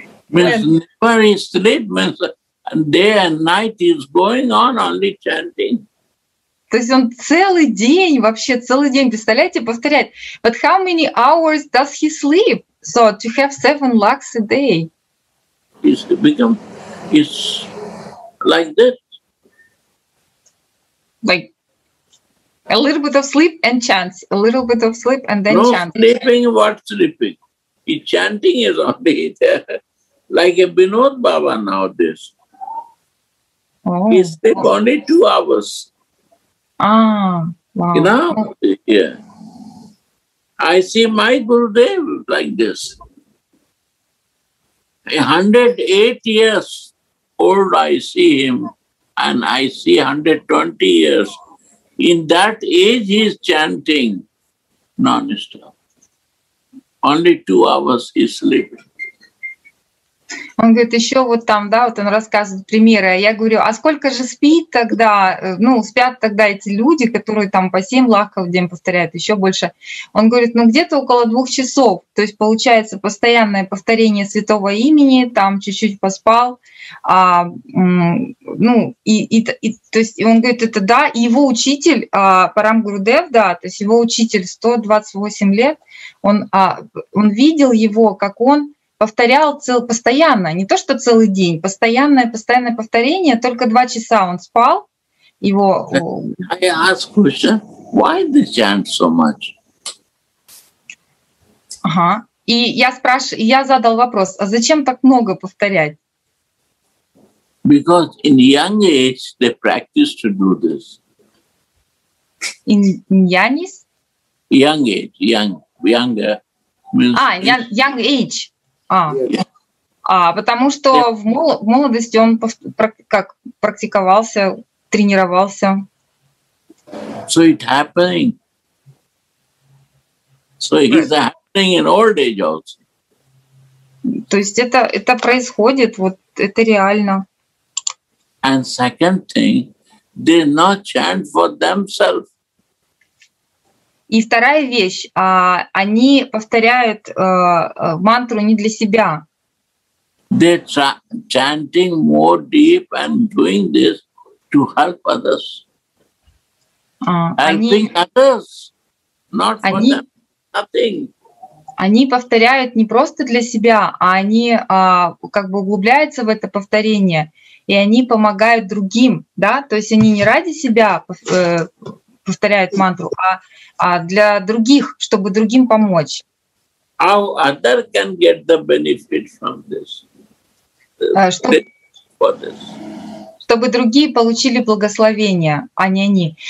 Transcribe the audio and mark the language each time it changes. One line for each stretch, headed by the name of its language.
English: never sleeps, and day and night is going on only chanting.
Russian: То есть он целый день, вообще целый день, представляете, повторяет.
English: But how many hours does he sleep? So to have 7 lakhs a day. It's like this. Like a little bit of sleep and chants. A little bit of sleep and then no chants. No sleeping, what sleeping? He chanting is only there. Like a Vinod Baba nowadays. Oh. He sleep only 2 hours. Ah, wow. You know, yeah. I see my Gurudev like this. 108 years old, I see him, and I see 120 years. In that age, he is chanting non-stop. Only 2 hours he sleeps.
Russian: Он говорит, еще вот там, да, вот он рассказывает примеры. Я говорю, а сколько же спит тогда, ну, спят тогда эти люди, которые там по 7 лакхов в день повторяют, еще больше. Он говорит, ну, где-то около 2 часов. То есть получается постоянное повторение святого имени, там чуть-чуть поспал. То есть и он говорит, это да, его учитель, Парам Гурудев, да, то есть его учитель 128 лет, он видел его, как он повторял постоянно, не то что целый день, постоянное повторение, только 2 часа он спал, его...
English: I ask question, why they chant so much?
Russian: Ага, и я задал вопрос, а зачем так много повторять?
English: Because in young age they practice to do this. In young age? Young age, younger. Young age. Yeah.
Russian: Потому что yeah. В молодости он практиковался, тренировался.
English: So it happening. So it is happening in old age also.
Russian: То есть это происходит, вот это реально.
English: And second thing, they not chant for themselves.
Russian: И вторая вещь, они повторяют мантру не для себя.
English: They chanting more deep and doing this to help others. Helping others, not for them, nothing.
Russian: Они повторяют не просто для себя, а они как бы углубляются в это повторение, и они помогают другим, да? То есть они не ради себя повторяют мантру, а для других, чтобы другим помочь.
English: How other can get the benefit from this?
Russian: Что,
English: for this.
Russian: Что, чтобы другие получили благословение, а не они.